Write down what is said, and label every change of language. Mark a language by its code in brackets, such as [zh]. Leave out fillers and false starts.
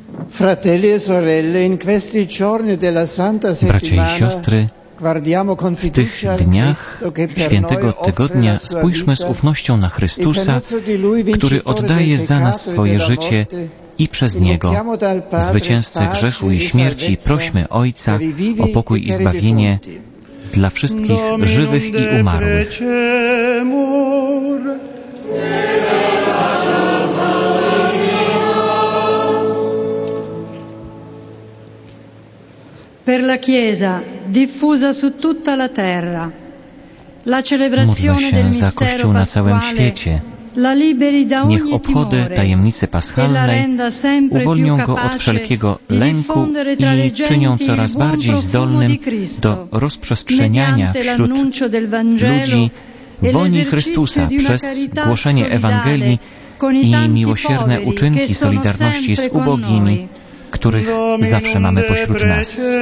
[it] Fratelli e sorelle, in questi giorni della Santa [pl] Bracia i siostry, w tych dniach świętego tygodnia spójrzmy z ufnością na Chrystusa, który oddaje za nas swoje życie i przez Niego, zwycięzcę grzechu i śmierci, prośmy Ojca o pokój i zbawienie dla wszystkich żywych i umarłych. [it] Per la Chiesa diffusa su tutta la terra, la celebrazione del mistero pasquale la liberi da ogni timore, [pl] tajemnicy paschalnej uwolnią go od wszelkiego lęku i czynią coraz bardziej zdolnym do rozprzestrzeniania wśród ludzi woni Chrystusa przez głoszenie Ewangelii i miłosierne uczynki solidarności z ubogimi, których zawsze mamy pośród nas.